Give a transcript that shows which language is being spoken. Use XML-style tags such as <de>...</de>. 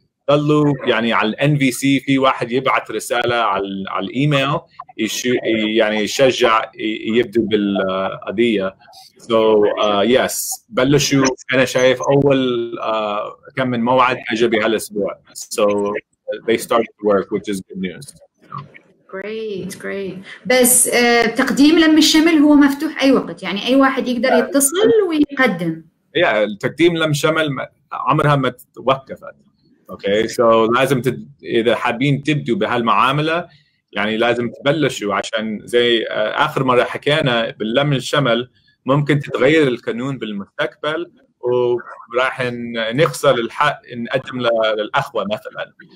<ar>ضلوا يعني على الـ NVC في واحد يبعث رسالة على الإيميل يعني يشجع يبدو بالقضية. Yes بلشوا، أنا شايف أول كم من موعد أجا بهالأسبوع.</ar> <en>They started to work which is good news. Great.</en> <ar>بس تقديم لم الشمل هو مفتوح أي وقت، يعني أي واحد يقدر يتصل ويقدم. Yeah تقديم لم الشمل عمرها ما توقفت. Okay, so لازم إذا حابين تبدوا بهالمعاملة يعني لازم تبلشوا، عشان زي آخر مرة حكينا باللم الشمل ممكن تتغير القانون بالمستقبل وراح نخسر الحق نقدم للأخوة مثلاً.</ar>